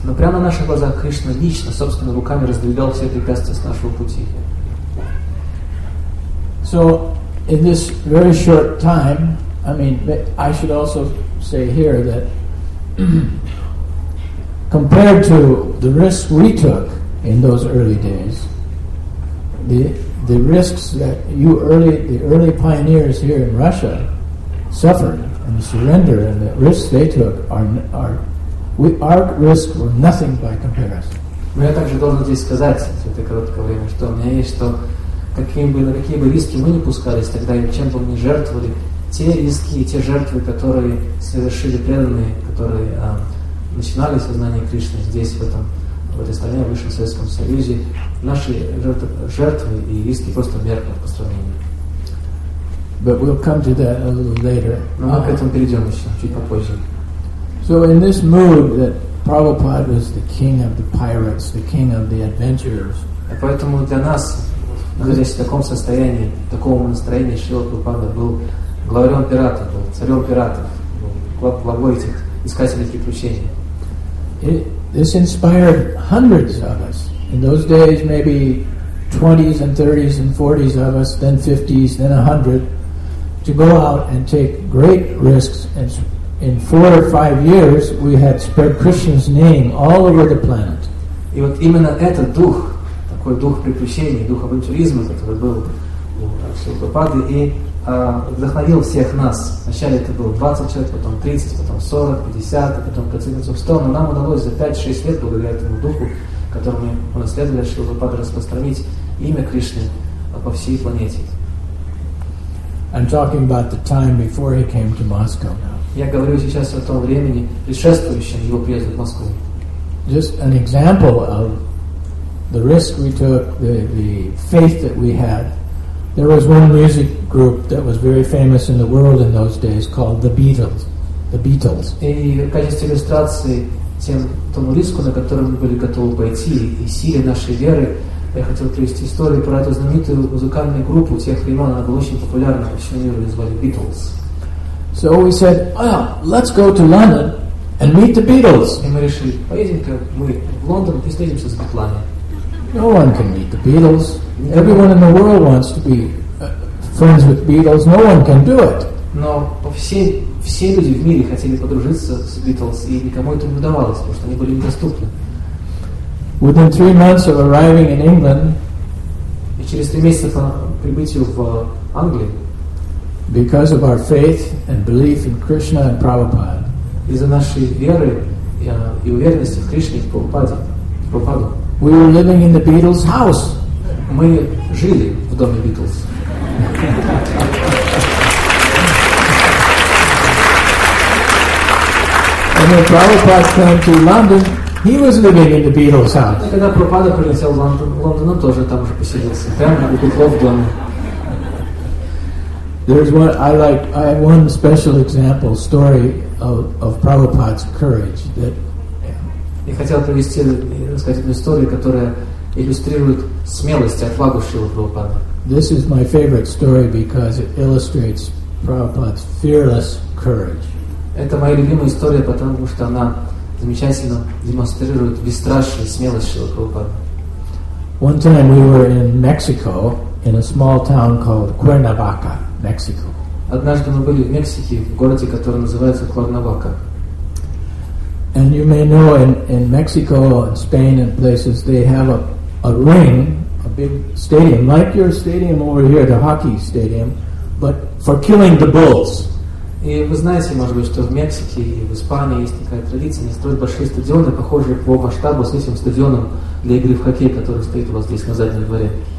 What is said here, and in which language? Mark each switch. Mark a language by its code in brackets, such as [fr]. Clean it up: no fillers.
[ru] Но прямо на наших глазах Кришна лично, собственно, руками раздвигал все препятствия с нашего пути. [en] So, in this very short time, I mean, I should also say here that compared to the risks we took in those early days, the risks that you early, the early pioneers here in Russia suffered and the surrender and the risks they took our risks were nothing by comparison. [ru] Я также должен здесь сказать, это короткое время, что у меня есть, что какие бы риски мы не пускались тогда и чем бы мы не жертвовали, те риски и те жертвы, которые совершили преданные, которые начинали сознание Кришны здесь, в этой стране, в Высшем Советском Союзе, наши жертвы и риски просто меркнут по сравнению. [en] But we'll come to that a little later. [ru] Но мы к этому перейдем еще, чуть попозже. [en] So in this mood that Prabhupada was the king of the pirates, the king of the adventurers. [ru] И поэтому для нас, здесь в таком состоянии, в таком настроении, Шрила Прабхупада был главарем пиратов, был царем пиратов, главой этих искателей приключений. [en] This inspired hundreds of us. In those days, maybe 20s and 30s and 40s of us, then 50s, then 100, to go out and take great risks. And in 4 or 5 years, we had spread Krishna's name all over the planet. [ru] И вот именно этот дух, такой дух приключений, дух авантюризма, который был у Шрилы Прабхупады, и вдохновил всех нас. Вначале это было 20 человек, потом 30, потом 40, 50, а потом, в конце концов, 100. Но нам удалось за 5-6 лет, благодаря этому духу, которому мы наследовали, Шрилу Прабхупаду, распространить имя Кришны по всей планете. [en] I'm talking about the time before he came to Moscow. [ru] Я говорю сейчас о том времени, предшествующем его приезду в Москву. [en] Just an example of the risk we took, the faith that we had. There was one music group that was very famous in the world in those days called the Beatles. The Beatles. [ru] И в качестве иллюстрации тому риску, на который мы были готовы пойти, и силе нашей веры, я хотел привести историю про эту знаменитую музыкальную группу тех времен. Она была очень популярна по всему миру, ее звали Beatles. [en] So we said, well, let's go to London and meet the Beatles. [ru] И мы решили, поедем-ка мы в Лондон и встретимся с Битлами. [en] No one can meet the Beatles. Everyone in the world wants to be friends with Beatles. No one can do it. [ru] Но все люди в мире хотели подружиться с Beatles, и никому это не удавалось, потому что они были недоступны. [en] Within 3 months of arriving in England, [ru] и через 3 месяца по прибытию в Англии, [en] because of our faith and belief in Krishna and Prabhupada, [ru] из-за нашей веры и уверенности в Кришне и Прабхупаде, [en] we were living in the Beatles' house. [ru] Мы жили в доме Beatles. [en] And when Prabhupada came to London, he was living in the Beatles' house. [ru] И когда Прабхупада прилетел в Лондон, он тоже там уже поселился, прямо у Битлов в доме. [en] There's one I have one special example story of Prabhupada's courage that. [ru] Я хотел привести, рассказать одну историю, которая иллюстрирует смелость и отвагу Шрилы Прабхупады. [en] This is my favorite story because it illustrates Prabhupada's fearless courage. [ru] Это моя любимая история, потому что она замечательно демонстрирует бесстрашие и смелость Шрилы Прабхупады. [en] One time we were in Mexico in a small town called Cuernavaca. Mexico. [ru] Однажды мы были в Мексике, в городе, который называется Куэрнавака. [en] And you may know in Mexico and Spain and places they have a ring, a big stadium, like your stadium over here, the hockey stadium, but for killing the bulls. [ru] И вы знаете, может быть, что в Мексике и в Испании есть такая традиция, они строят большие стадионы, похожие по масштабу с этим стадионом для игры в хоккей, который стоит у вас здесь на заднем дворе.